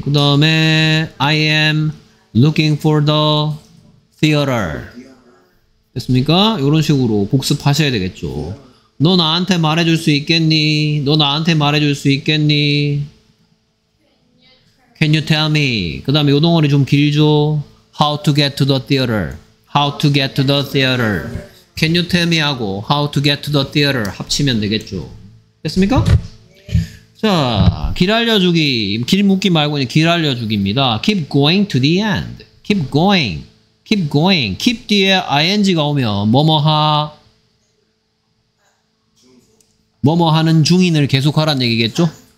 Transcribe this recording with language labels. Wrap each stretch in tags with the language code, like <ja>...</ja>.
<ko>그 다음에</ko> <en>I am looking for the theater.</en> <ko>됐습니까? 요런 식으로 복습하셔야 되겠죠. 너 나한테 말해줄 수 있겠니? 너 나한테 말해줄 수 있겠니?</ko> <en>Can you tell me?</en> <ko>그 다음에 요 동어리 좀 길죠?</ko> <en>How to get to the theater? How to get to the theater? Can you tell me</en> <ko>하고</ko> <en>How to get to the theater</en> <ko>합치면 되겠죠. 됐습니까? 자, 길 알려주기. 길 묻기 말고 길 알려주기입니다.</ko> <en>Keep going to the end. Keep going. Keep going.</en> <ko>Keep 뒤에 ing가 오면 뭐뭐하 뭐뭐하는 중인을 계속하라는 얘기겠죠?</ko>